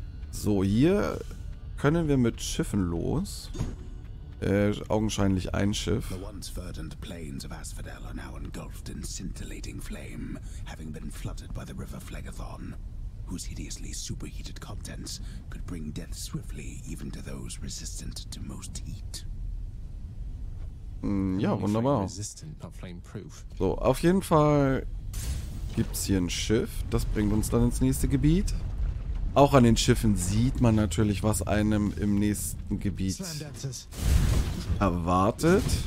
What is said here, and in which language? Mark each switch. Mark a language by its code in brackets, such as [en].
[de] So, hier können wir mit Schiffen los. Augenscheinlich ein Schiff. [en] The once verdant plains of Asphodel are now engulfed in scintillating flame, having been flooded by the river Phlegethon, whose hideously superheated contents could bring death swiftly even to those resistant to most heat. [de] Ja, wunderbar. So, auf jeden Fall gibt es hier ein Schiff. Das bringt uns dann ins nächste Gebiet. Auch an den Schiffen sieht man natürlich, was einem im nächsten Gebiet erwartet.